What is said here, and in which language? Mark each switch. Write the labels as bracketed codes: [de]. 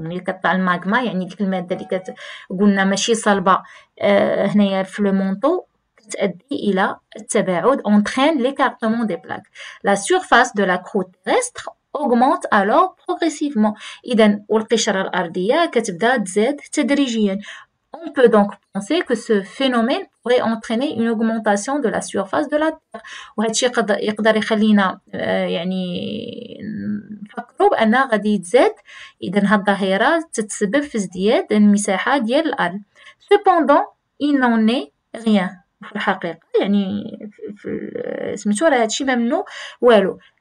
[ar] ملي كطلع الماغما, يعني ديك المادة اللي قلنا ماشي صلبة هنايا في لو مونطو, كتؤدي إلى التباعد, [fr] entraîne l'écartement des plaques. La surface de la croûte terrestre augmente alors progressivement. [ar] إذن والقشرة الأرضية كتبدأ تزيد تدريجيا. [fr] On peut donc penser que ce phénomène pourrait entraîner une augmentation de la surface de la Terre. [ar] وهذا الشيء يقدر يخلينا يعني نفكروا بأنها غادي تزيد. إذن هاد الظاهرة تتسبب في ازدياد المساحة ديال الأرض. [fr] Cependant, il n'en est rien. [ar] في الحقيقة يعني في سميتو راه هادشي ممنوع والو.